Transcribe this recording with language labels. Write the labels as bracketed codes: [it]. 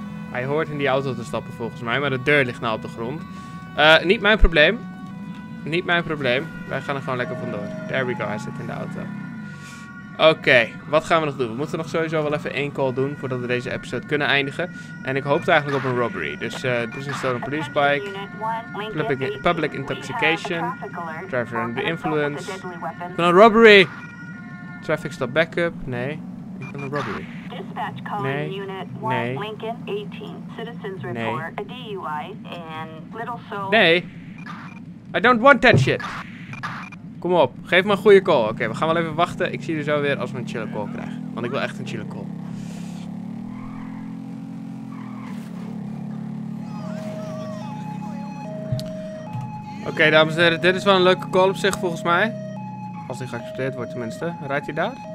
[nl] Hij hoort in die auto te stappen volgens mij, maar de deur ligt nou op de grond. Niet mijn probleem. Niet mijn probleem. Wij gaan er gewoon lekker vandoor. [en] There we go, [nl] hij zit in de auto. Oké, wat gaan we nog doen? We moeten nog sowieso wel even één call doen voordat we deze episode kunnen eindigen. En ik hoopte eigenlijk op een robbery. Dus dit is een [en] stolen police bike. Public intoxication. Driver under the influence. [nl] Ik wil een robbery! [en] Traffic stop backup. [nl] Nee. Ik wil een robbery. [en] Dispatch calling [nl] nee. [en] Unit 1, Lincoln 18. Citizens report. [nl] Nee. [en] A DUI and little soul. [nl] Nee. [en] I don't want that shit. [nl] Kom op, geef me een goede call. Oké, we gaan wel even wachten. Ik zie je zo weer als we een chill call krijgen. Want ik wil echt een chill call. Oké, dames en heren, dit is wel een leuke call op zich volgens mij. Als die geaccepteerd wordt tenminste. Rijdt hij daar?